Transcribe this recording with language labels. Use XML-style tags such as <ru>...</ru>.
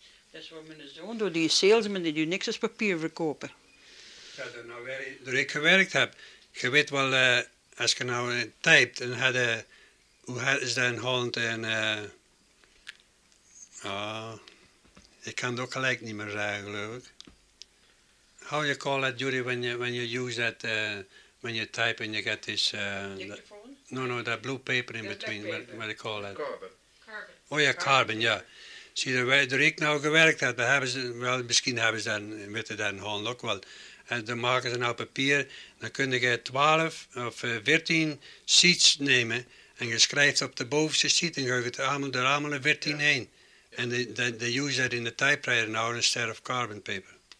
<nl>Dat is voor mijn zoon, door die salesman, die doet niks als papier verkopen. Ja, door ik gewerkt heb. Je weet wel, als je nou typt en had... Hoe is dat in Holland en... ik kan het ook gelijk niet meer zeggen, geloof ik.</nl> <en>How you call that, Judy, when you use that... when you type and you get this... that blue paper in between. What do you call that? Carbon. Oh, yeah, carbon, yeah.</en> <nl>Zie, waar ik nou gewerkt heb, misschien hebben ze dan, weten dat in Holland ook wel. En dan maken ze nou papier. Dan kun je 12 of 14 sheets nemen... En je schrijft op de bovenste sheet en je gaat allemaal er 14 heen.</nl> <en>En they use that in the typewriter now instead of carbon paper.</en>